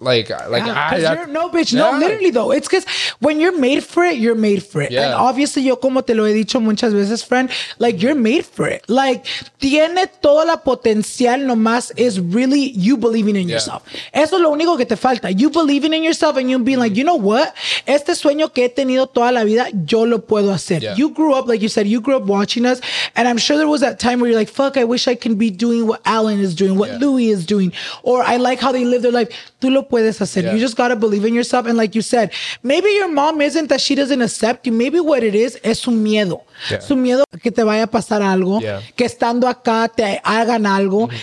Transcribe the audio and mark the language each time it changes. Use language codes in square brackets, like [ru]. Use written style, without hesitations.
[en] Literally though, it's because when you're made for it, you're made for it. And obviously, [es] yo como te lo he dicho muchas veces, [en] friend, like, you're made for it. Like, [es] tiene toda la potencial nomás [en] is really you believing in yourself. [es] Eso es lo único que te falta. [en] You believing in yourself and you being like, you know what? [es] Este sueño que he tenido toda la vida, yo lo puedo hacer. [en] You grew up, like you said, you grew up watching us, and I'm sure there was that time where you're like, fuck, I wish I can be doing what Alan is doing, what Louis is doing, or I like how they live their life. [es] Tú lo puedes hacer. [en] You just gotta believe in yourself. And like you said, maybe your mom isn't, that she doesn't accept you. Maybe what it is [es] su miedo. Su miedo que te vaya a pasar algo, que estando acá te hagan algo.